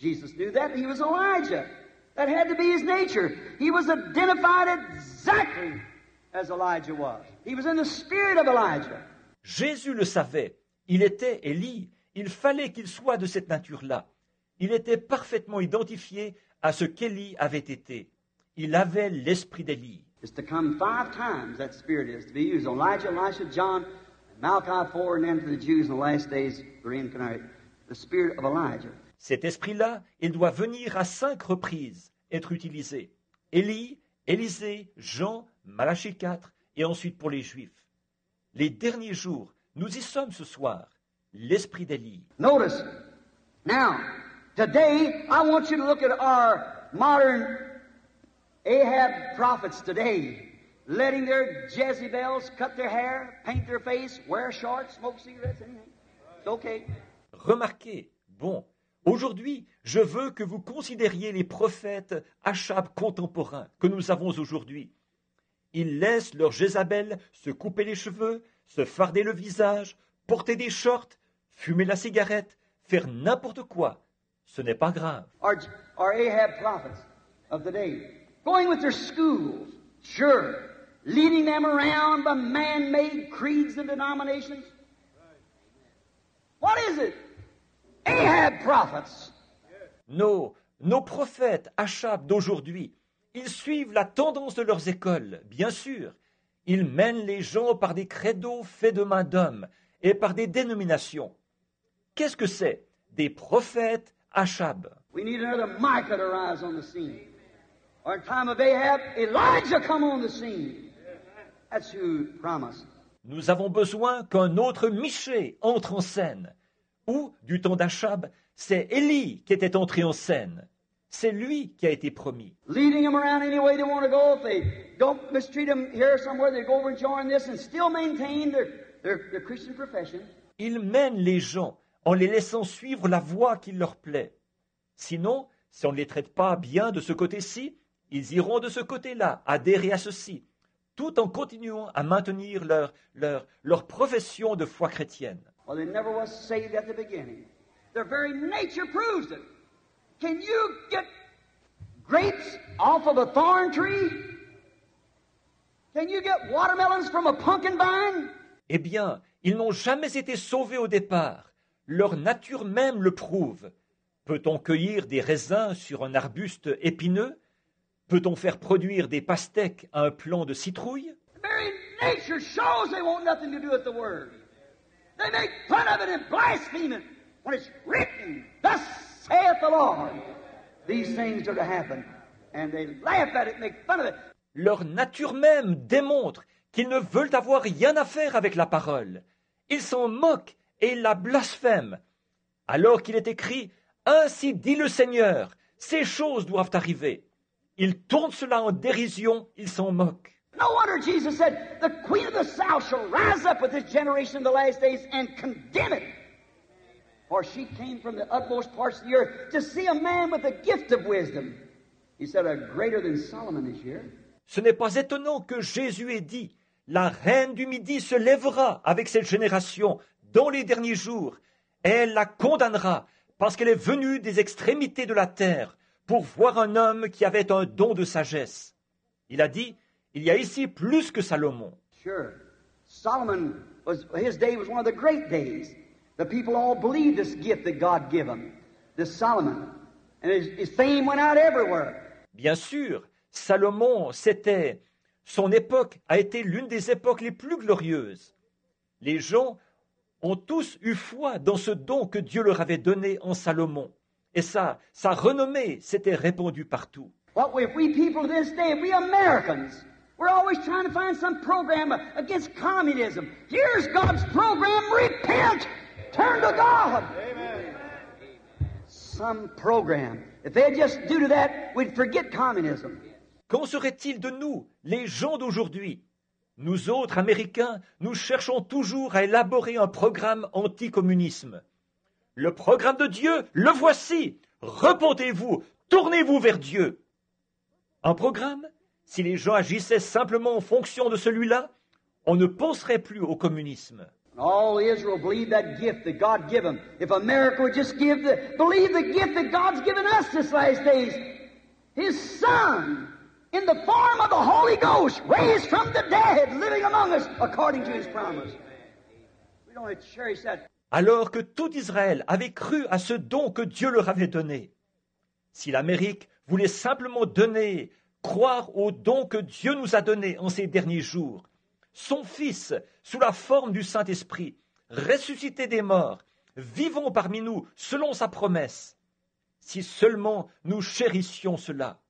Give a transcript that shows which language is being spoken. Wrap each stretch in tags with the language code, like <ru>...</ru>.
<en>Jesus knew that, he was Elijah. That had to be his nature. He was identified exactly as Elijah was. He was in the spirit of Elijah.</en> <fr>Jésus le savait. Il était Élie. Il fallait qu'il soit de cette nature-là. Il était parfaitement identifié à ce qu'Élie avait été. Il avait l'esprit d'Élie.</fr> <en>It's to come five times, that spirit is, to be used. Elijah, Elisha, John, Malachi 4, and then to the Jews in the last days, reincarnate. The spirit of Elijah.</en> <fr>Cet esprit-là, il doit venir à cinq reprises, être utilisé. Élie, Élisée, Jean, Malachie 4, et ensuite pour les Juifs. Les derniers jours, nous y sommes ce soir. L'esprit d'Élie.</fr> <en>Notice, now, today, I want you to look at our modern Ahab prophets today, letting their Jezebels cut their hair, paint their face, wear shorts, smoke cigarettes, anything. It's okay.</en> <fr>Remarquez, bon, aujourd'hui, je veux que vous considériez les prophètes Achab contemporains que nous avons aujourd'hui. Ils laissent leur Jézabel se couper les cheveux, se farder le visage, porter des shorts, fumer la cigarette, faire n'importe quoi. Ce n'est pas grave.</fr> <en>Our Ahab prophets of the day, going with their schools, sure, leading them around by man-made creeds and denominations. What is it? Ahab prophets.</en> <fr>Nos prophètes Achab d'aujourd'hui, ils suivent la tendance de leurs écoles, bien sûr. Ils mènent les gens par des credos faits de main d'homme et par des dénominations. Qu'est-ce que c'est? Des prophètes Achab.</fr> <en>We need another Micah to rise on the scene. Or in time of Ahab, Elijah come on the scene. That's who promised.</en> <fr>Nous avons besoin qu'un autre Michée entre en scène. Ou, du temps d'Achab, c'est Élie qui était entré en scène. C'est lui qui a été promis.</fr> <en>Leading them around any way they want to go. If they don't mistreat them here somewhere, they go over and join this and still maintain their Christian profession.</en> <fr>Il mène les gens en les laissant suivre la voie qui leur plaît. Sinon, si on ne les traite pas bien de ce côté-ci, ils iront de ce côté-là, adhérer à ceci, tout en continuant à maintenir leur profession de foi chrétienne.</fr> <en>Well, they never was saved at the beginning. Their very nature proves it. Can you get grapes off of a thorn tree? Can you get watermelons from a pumpkin vine?</en> <fr>Eh bien, ils n'ont jamais été sauvés au départ. Leur nature même le prouve. Peut-on cueillir des raisins sur un arbuste épineux? Peut-on faire produire des pastèques à un plant de citrouille?</fr> <en>The very nature shows they want nothing to do with the word. They make fun of it and blaspheme it when it's written, thus saith the Lord. These things are to happen. And they laugh at it, make fun of it.</en> <fr>Leur nature même démontre qu'ils ne veulent avoir rien à faire avec la parole. Ils s'en moquent et ils la blasphèment. Alors qu'il est écrit, ainsi dit le Seigneur, ces choses doivent arriver. Ils tournent cela en dérision, ils s'en moquent.</fr> <en>No wonder Jesus said, the queen of the south shall rise up with this generation in the last days and condemn it. For she came from the utmost parts of the earth to see a man with the gift of wisdom. He said, a greater than Solomon is here.</en> <fr>Ce n'est pas étonnant que Jésus ait dit, la reine du midi se lèvera avec cette génération dans les derniers jours. Et elle la condamnera parce qu'elle est venue des extrémités de la terre pour voir un homme qui avait un don de sagesse. Il a dit, il y a ici plus que Salomon.</fr> <en>Sure. Solomon, his day was one of the great days. The people all believed this gift that God gave him, this Solomon. And his fame went out everywhere.</en> <fr>Bien sûr, Salomon, c'était... Son époque a été l'une des époques les plus glorieuses. Les gens ont tous eu foi dans ce don que Dieu leur avait donné en Salomon. Et sa renommée s'était répandue partout.</fr> <en>What if we people this day, we Americans... We're always trying to find some program against communism. Here's God's program. Repent. Turn to God. Amen. Some program. If they just do to that, we'd forget communism.</en> <fr>Qu'en serait-il de nous, les gens d'aujourd'hui? Nous autres, Américains, nous cherchons toujours à élaborer un programme anti-communisme. Le programme de Dieu, le voici. Repentez-vous. Tournez-vous vers Dieu. Un programme? Si les gens agissaient simplement en fonction de celui-là, on ne penserait plus au communisme.</fr> <en>All Israel believed that gift that God gave them. If America would just believe the gift that God's given us this last days, His Son, in the form of the Holy Ghost, raised from the dead, living among us, according to His promise. We don't want to cherish that.</en> <fr>Alors que tout Israël avait cru à ce don que Dieu leur avait donné, si l'Amérique voulait simplement donner, croire au don que Dieu nous a donné en ces derniers jours, son Fils, sous la forme du Saint-Esprit, ressuscité des morts, vivant parmi nous selon sa promesse, si seulement nous chérissions cela.</fr>